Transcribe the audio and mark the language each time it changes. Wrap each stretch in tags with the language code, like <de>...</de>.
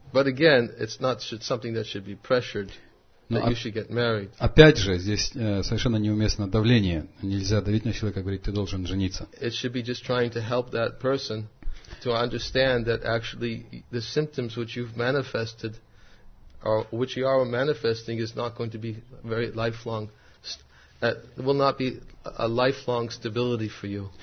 <en>But again, it's not something that should be pressured.</en> <ru>Но</ru> <en>that you should get married.</en> <ru>Опять же, здесь совершенно неуместно давление. Нельзя давить на человека, говорить, ты должен жениться.</ru> <en>It should be just trying to help that person to understand that actually the symptoms which you've manifested or which you are manifesting is not going to be very lifelong. Will not be a lifelong stability for you.</en>